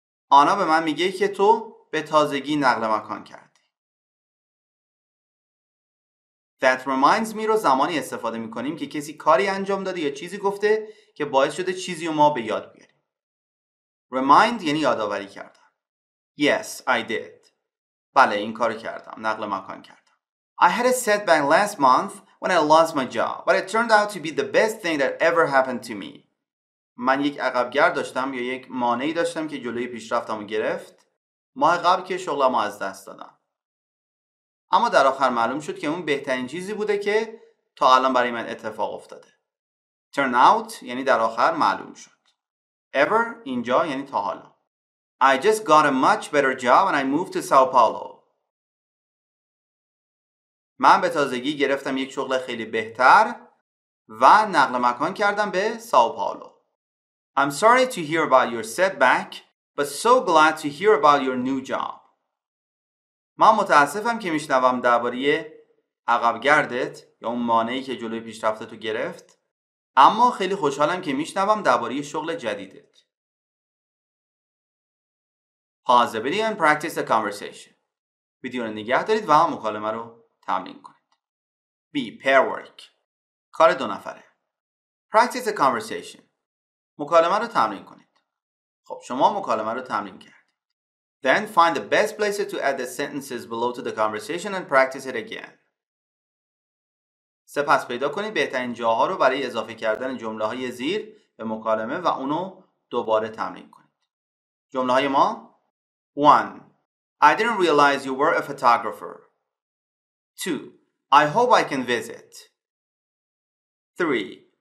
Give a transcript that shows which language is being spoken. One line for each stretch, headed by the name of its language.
Persian: آنا به من میگه که تو به تازگی نقل مکان کردی.
English: That reminds me
Persian: رو زمانی استفاده می کنیم که کسی کاری انجام داده یا چیزی گفته که باعث شده چیزی رو ما به یاد بیاریم. Remind یعنی یادآوری کردم.
English: Yes, I did.
Persian: بله، این کار کردم. نقل مکان کردم.
English: I had a setback last month when I lost my job, but it turned out to be the best thing that ever happened to me.
Persian: من یک عقبگر داشتم یا یک مانعی داشتم که جلوی پیشرفتم گرفت. ماه قبل که شغلم رو از دست دادم. اما در آخر معلوم شد که اون بهترین چیزی بوده که تا الان برای من اتفاق افتاده. Turn out یعنی در آخر معلوم شد.
English: Ever
Persian: اینجا یعنی تا حالا.
English: I just got a much better job and I moved to Sao Paulo.
Persian: من به تازگی گرفتم یک شغل خیلی بهتر و نقل مکان کردم به ساو پاولو.
English: I'm sorry to hear about your setback, but so glad to hear about your new job.
Persian: من متاسفم که میشنوم درباره عقبگردت یا اون مانعی که جلوی پیشرفتتو گرفت، اما خیلی خوشحالم که میشنوم درباره شغل جدیدت.
English: Pause the video and practice the conversation.
Persian: ویدیو رو نگه دارید و هم مکالمه رو تمرین کنید.
English: B. Pair work.
Persian: کار دو نفره.
English: Practice the conversation.
Persian: مکالمه رو تمرین کنید. خب شما مکالمه رو تمرین کرد.
English: Then find the best places to add the sentences below to the conversation and practice it again.
Persian: سپس پیدا کنید بهترین جاها رو برای اضافه کردن جمله‌های زیر به مکالمه و اونو دوباره تمرین کنید. جمله‌های ما
English: 1. I didn't realize you were a photographer. 2. I hope I can visit. 3.